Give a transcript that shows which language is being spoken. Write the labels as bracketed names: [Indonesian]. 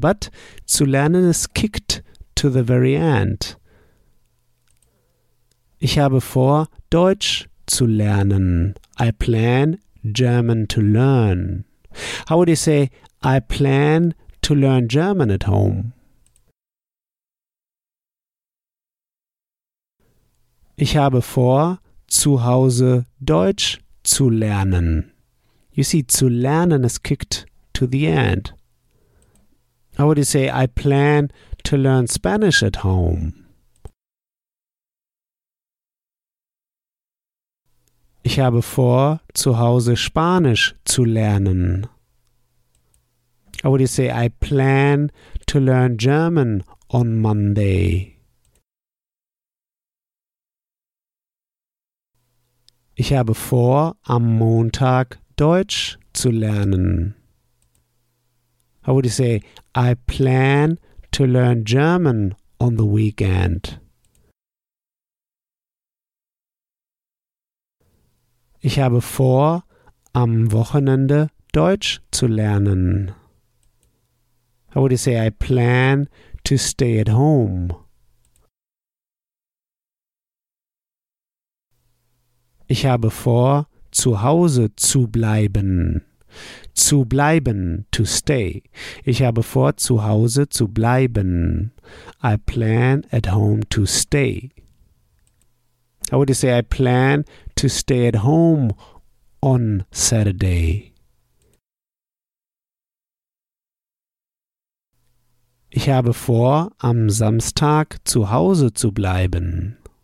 [English] But zu lernen is kicked to the very end. [German] Ich habe vor, Deutsch zu lernen. [English] I plan German to learn. How would you say, I plan to learn German at home? [German] Ich habe vor, zu Hause Deutsch zu lernen. [English] You see, zu lernen is kicked to the end. How would you say, I plan to learn Spanish at home? [German] Ich habe vor, zu Hause Spanisch zu lernen. [English] How would you say, I plan to learn German on Monday? [German] Ich habe vor, am Montag Deutsch zu lernen. [English] How would you say, I plan to learn German on the weekend? [German] Ich habe vor, am Wochenende Deutsch zu lernen. [English] How would you say, I plan to stay at home? [German] Ich habe vor, zu Hause zu bleiben. Zu bleiben, [English] to stay. [German] Ich habe vor, zu Hause zu bleiben. [English] I plan at home to stay. How would you say I plan to stay at home on Saturday? [German] Ich habe vor, am Samstag zu Hause zu bleiben.